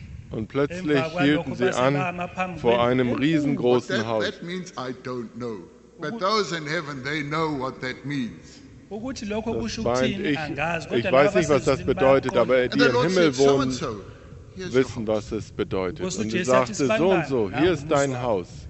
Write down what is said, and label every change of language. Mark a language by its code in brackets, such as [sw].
[de] Und plötzlich hielten sie an vor einem riesengroßen Haus. [en] That means I don't know. But those in heaven, they know what that means. [de] Das meint ich weiß nicht, was das bedeutet, aber die im Himmel wohnen, wissen, was es bedeutet. Und er sagte, so und so, hier ist dein Haus.